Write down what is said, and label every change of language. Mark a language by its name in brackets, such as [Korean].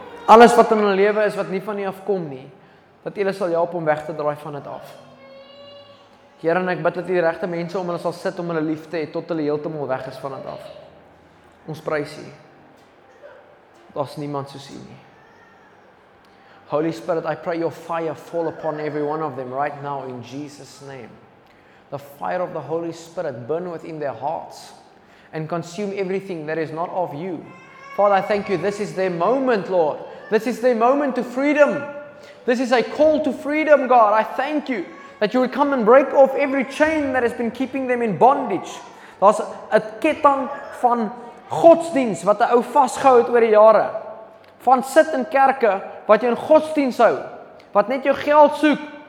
[Afrikaans] Alles wat in hulle lewe is wat nie van U afkom nie, dat U hulle sal help om weg te draai van dit af. Here, en ek bid dat U die regte mense om hulle sal sit om hulle liefde het tot hulle heeltemal weg is van dit af. Ons prys U. Daar is niemand soos U nie. [English] Holy Spirit, I pray your fire fall upon every one of them right now in Jesus' name. The fire of the Holy Spirit burn within their hearts and consume everything that is not of you. Father, I thank you. This is their moment, Lord. This is their moment to freedom. This is a call to freedom, God. I thank you that you will come and break off every chain that has been keeping them in bondage. [Afrikaans] Daar's 'n ketting van godsdienst wat 'n ou vasgehou het oor die jare. Van sit in kerke wat jou in godsdienst hou, wat net jou geld soek.